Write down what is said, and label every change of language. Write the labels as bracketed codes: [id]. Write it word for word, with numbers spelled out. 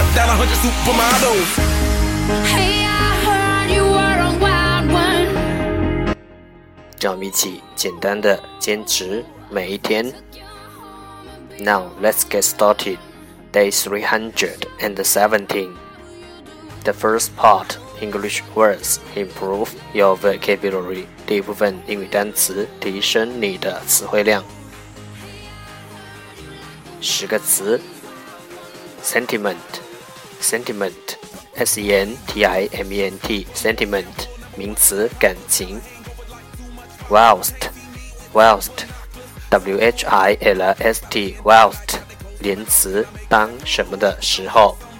[en] Hey, I heard you were a wild one. [zh] 让我们一起简单的坚持每一天。 [en] Now let's get started. Day three hundred seventeen. The first part, English words, improve your vocabulary. [zh] 第一部分英语单词，提升你的词汇量。十个词 Sentiment Sentiment S E N T I M E N T Sentiment 名词感情 Whilst Whilst W H I L S T Whilst 连词当什么的时候